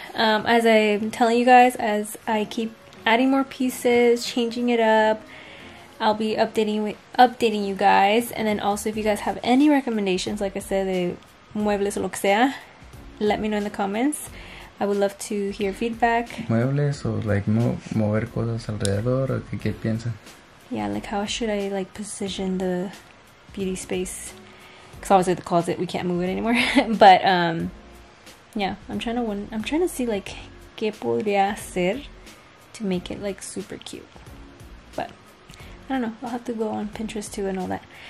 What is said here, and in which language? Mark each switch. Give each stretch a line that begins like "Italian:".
English: As I'm telling you guys, as I keep adding more pieces, changing it up, I'll be updating you guys. And then also, if you guys have any recommendations, like I said,
Spanish: de muebles o lo que sea,
English: let me know in the comments. I would love to hear feedback.
Spanish: Muebles o like mover cosas alrededor o qué piensa.
English: Yeah, like how should I like position the beauty space? Because obviously the closet, we can't move it anymore. But yeah, I'm trying to see like
Spanish: qué podría hacer
English: to make it like super cute. But I don't know, I'll have to go on Pinterest too and all that.